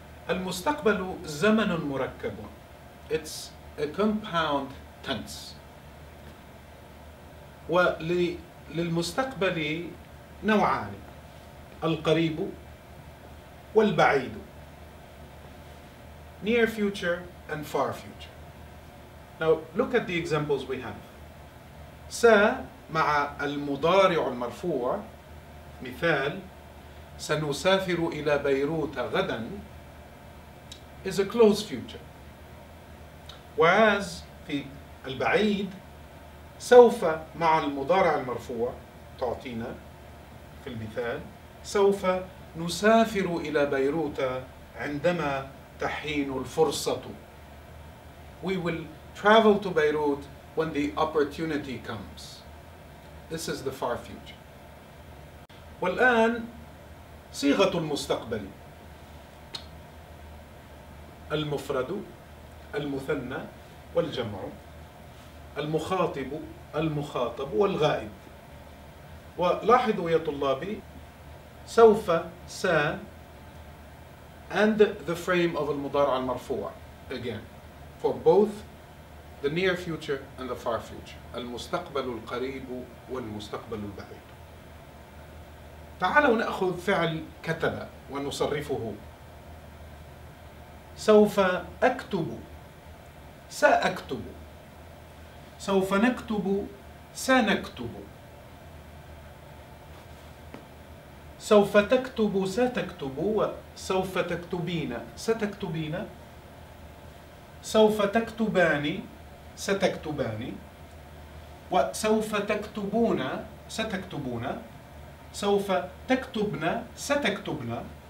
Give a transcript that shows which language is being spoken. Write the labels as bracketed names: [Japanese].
[Arabic] المستقبل زمن مركب. [English] It's a compound tense. [Arabic] وللمستقبل نوعان القريب والبعيد. [English] Near future and far future. Now look at the examples we have. [Arabic] س مع المضارع المرفوع مثال سنسافر إلى بيروت غدا [English] is a close future. [Arabic] Whereas في البعيد سوف مع المضارع المرفوع تعطينا في المثال سوف نسافر إلى بيروت عندما تحين الفرصة. [English] We will travel to Beirut when the opportunity comes. This is the far future. [Arabic] والآن صيغة المستقبل. المفرد المثنى والجمع المخاطب المخاطب والغائب. ولاحظوا يا طلابي سوف س [English] and the frame of [Arabic] المضارع المرفوع [English] again for both the near future and the far future. [Arabic] المستقبل القريب والمستقبل البعيد. تعالوا نأخذ فعل كتب ونصرفه. سوف أكتب سأكتب سوف نكتب سنكتب سوف تكتب ستكتب وسوف تكتبين ستكتبين سوف تكتبان ستكتبان وسوف تكتبون ستكتبون سوف تكتبن ستكتبن.